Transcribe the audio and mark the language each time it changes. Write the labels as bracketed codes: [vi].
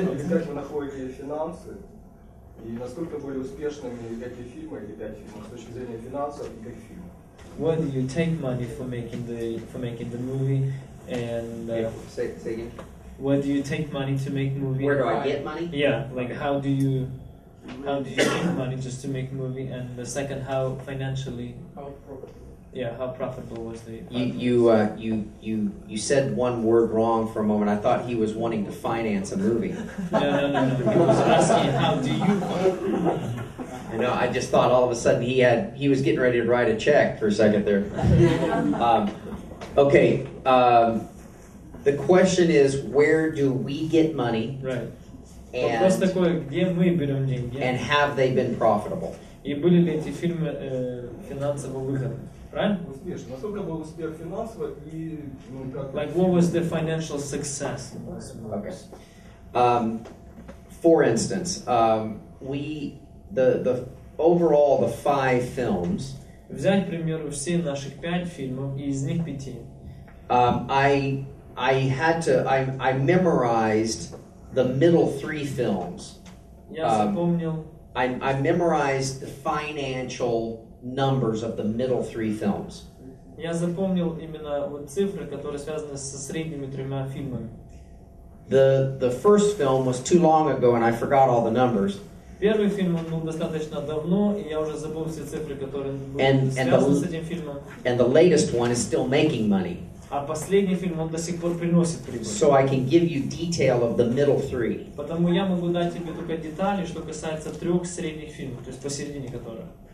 [ru] Как вы находите финансы и насколько были успешными эти фильмы или 5 фильмов с точки зрения финансов и как фильмы? [en] Where do you take money for making the movie and say again? Where do you take money to make movie? Where do I get money? Yeah, like how do you make money just to make movie? And the second, how financially? How profitable was the? You said one word wrong for a moment. I thought he was wanting to finance a movie. No. He was asking how do you? I know. I just thought all of a sudden he was getting ready to write a check for a second there. Okay. The question is, where do we get money? Right. And have they been profitable? [ru] И были ли эти фильмы финансово выгодны? Успешно. Насколько был успех финансово и как? [en] Like what was the financial success? Okay. For instance, the overall 5 films. [ru] Взять, к примеру, все наши 5 фильмов и из них 5. [en] I memorized the middle 3 films. [ru] Я запомнил. [en] I memorized the financial numbers of the middle 3 films. [ru] Я запомнил именно вот цифры, которые связаны со средними 3 фильмами. [en] The first film was too long ago and I forgot all the numbers. [ru] Первый фильм он был достаточно давно, и я уже забыл все цифры, которые связаны с этим фильмом. [en] And the latest one is still making money. [ru] А последний фильм он до сих пор приносит прибыль. [en] So I can give you detail of the middle 3. [ru] Потому я могу дать тебе только детали, что касается 3 средних фильмов, то есть посередине которых.